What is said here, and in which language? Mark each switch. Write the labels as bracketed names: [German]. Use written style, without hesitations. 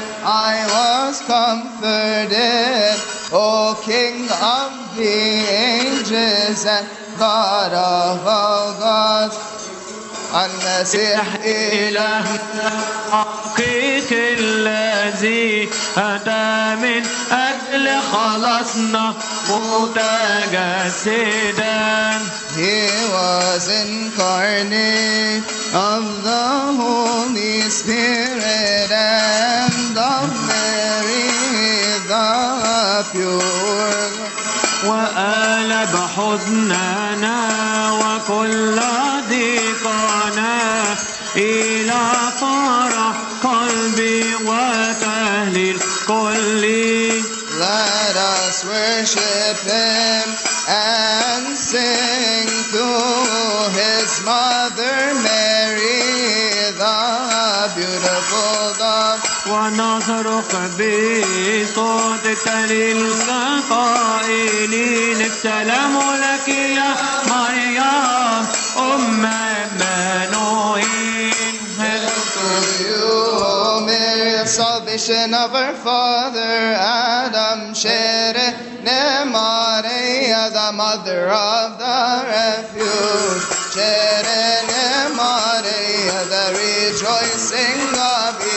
[English] I was comforted, O King of the ages and God of all gods. [Arabic] المسيح إله حقيق الذي أتى من أجل خلصنا متجسدا. [English] He was incarnate of the Holy Spirit and of Mary the pure. [Arabic] وقلب حزننا وكل ضيقنا إلى فرح قلبي وتهليل كلي. [English] Let us worship him and sing to his mother Mary the beautiful dove. [Arabic] ونصرخ بصوتك للقائلين السلام لك يا مريم أم إيمانوئيل. [English] Hail to you, O Mary, salvation of our father Adam, Shere Nemaria, the mother of the refuge, Shere Nemaria, the rejoicing of